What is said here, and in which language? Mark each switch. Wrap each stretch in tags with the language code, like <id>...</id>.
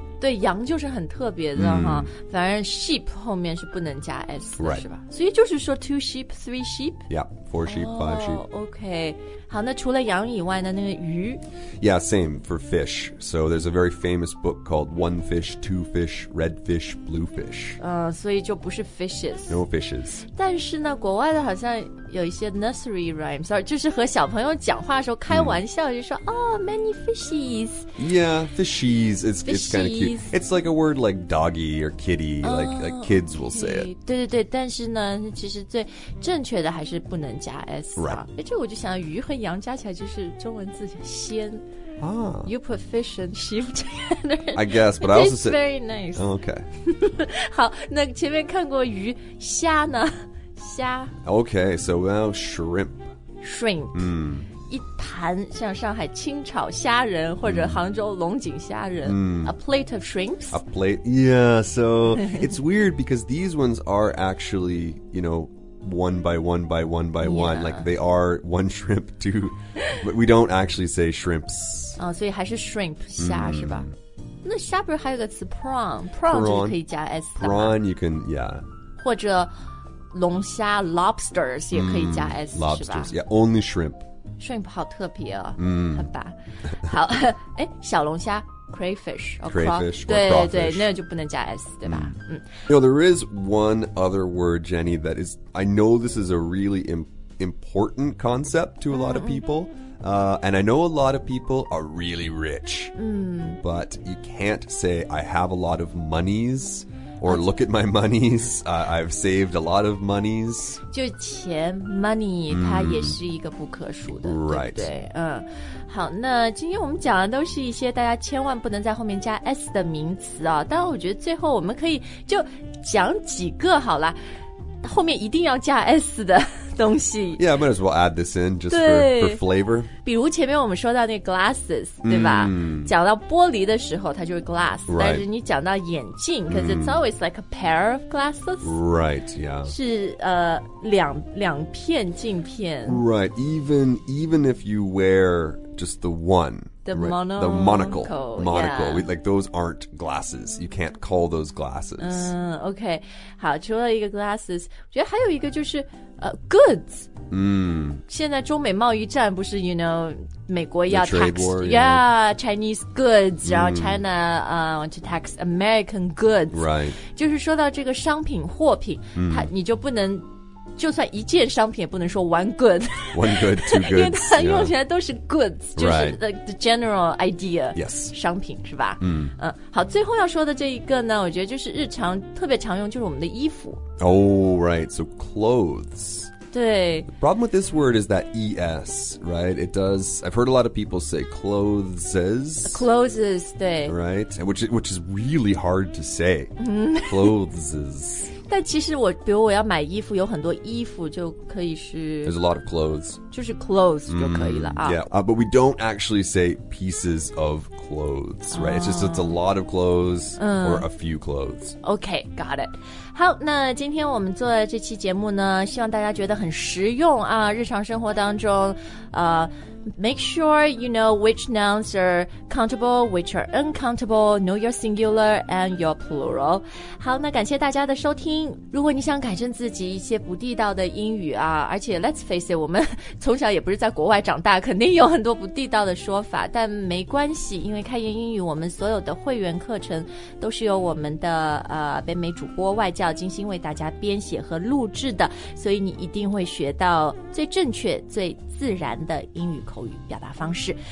<zh>对，羊就是很特别的、mm. 哈，反正 sheep 后面是不能加 s 的、</zh> <en>right.</en> <zh>是吧？所以就是说</zh> <en>two sheep, three sheep? Yeah, four sheep,、 oh, five sheep. Okay.</en> <zh>好，那除了羊以外呢，那个鱼？</zh> <en>Yeah, same for fish. So there's a very famous book called One Fish, Two Fish, Red Fish, Blue Fish.</en> <zh>所以就不是 fishes.</zh> <en>No fishes.</en> <zh>但是呢，国外的好像有一些 nursery rhymes, 就是和小朋友讲话的时候开玩笑、mm. 就说</zh> <en>Oh, many fishies. Yeah, fishies. It's kind of cute. It's like a word like doggy or kitty,、oh, like kids will、 okay. say it.</en> <zh>对对对，但是呢，其实最正确的还是不能加 s、</zh> <en>right.</en> <zh>啊。哎，这我就想，鱼和羊加起来就是中文字鲜。啊、ah.</zh> <en>，You put fish and sheep together. I guess, but I also said very nice. Okay.</en> <zh>好，那前面看过鱼，虾呢？虾。</zh> <en>Okay, so now shrimp. Shrimp. 嗯、mm.。</en> <zh>一盘像上海清炒虾仁或者杭州龙井虾仁、 mm.</zh> <en>A plate of shrimps. A plate, yeah. So it's weird because these ones are actually, you know, one by one by one by、 yeah. one. Like they are one shrimp, two. But we don't actually say shrimps.</en> <zh>哦、所以还是 shrimp, 虾、mm. 是吧？那虾不是还有个词 prawn? Prawn 就是可以加 s 的吗？</zh> <en>Prawn, you can, yeah.</en> <zh>或者龙虾 lobsters 也可以加 s,、mm. 是吧？</zh> <en>Lobsters, yeah, only shrimp.</en> <zh>Shrimp 好特别哦、嗯、好吧好哎小龙虾 crayfish</zh> <en>or crawfish</en> <zh>对对那就不能加 s 对吧</zh> <en>You know, there is one other word Jenny that is I know this is a really important concept to a lot of people、and I know a lot of people are really rich、but you can't say I have a lot of moneysOr look at my monies. I've saved a lot of monies.</en> <zh>就钱 money、mm. 它也是一个不可数的、</zh> <en>right.</en> <zh>对不对、好那今天我们讲的都是一些大家千万不能在后面加 s 的名词啊、哦。但我觉得最后我们可以就讲几个好了后面一定要加 s 的东西</zh> <en>Yeah, I might as well add this in just for flavor.</en> <zh>比如前面我们说到那 glasses,、 mm. 对吧讲到玻璃的时候它就是 glass,、</zh> <en>right.</en> <zh>但是你讲到眼镜</zh> <en>because、</en> <zh>mm.</zh> <en>it's always like a pair of glasses. Right, yeah.</en> <zh>是、两片镜片。</zh> <en>Right, even if you wear just the one. The monocle. Monocle.、 Yeah. We, like, those aren't glasses. You can't call those glasses.、 Okay.</en> <zh>好除了一个 glasses, 我觉得还有一个就是、goods.、 Mm. 现在中美贸易战不是</zh> <en>you know,</en> <zh>美国要</zh> <en>the trade tax, war, yeah, Chinese goods,、mm.</en> <zh>然后</zh> <en>China、want to tax American goods. Right.</en> <zh>就是说到这个商品货品、 mm. 它你就不能就算一件商品也不能说</zh> <en>one good one good, two goods</en> <zh>因为它用起来都是 goods、</zh> <en>yeah.</en> <zh>就是</zh> <en>the general idea yes</en> <zh>商品是吧、 mm. 好最后要说的这一个呢我觉得就是日常特别常用就是我们的衣服</zh> <en>oh right so clothes</en> <zh>对</zh> <en>the problem with this word is that es right it does I've heard a lot of people say clothes</en> <zh>对</zh> <en>right which is really hard to say clothes</en> <zh>但其实我比如我要买衣服有很多衣服就可以是</zh> <en>There's a lot of clothes</en> <zh>就是 clothes、mm, 就可以了、啊、</zh> <en>Yeah,、but we don't actually say pieces of clothes、right? It's just it's a lot of clothes、or a few clothes Okay, got it</en> <zh>好，那今天我们做的这期节目呢，希望大家觉得很实用啊，日常生活当中</zh> <en>make sure you know which nouns are countable, which are uncountable, know your singular and your plural.</en> <zh>好，那感谢大家的收听。如果你想改正自己一些不地道的英语啊，而且</zh> <en>let's face it,</en> <zh>我们从小也不是在国外长大，肯定有很多不地道的说法，但没关系，因为开言英语我们所有的会员课程都是由我们的北美主播外教精心为大家编写和录制的，所以你一定会学到最正确最自然的英语口语表达方式。</zh>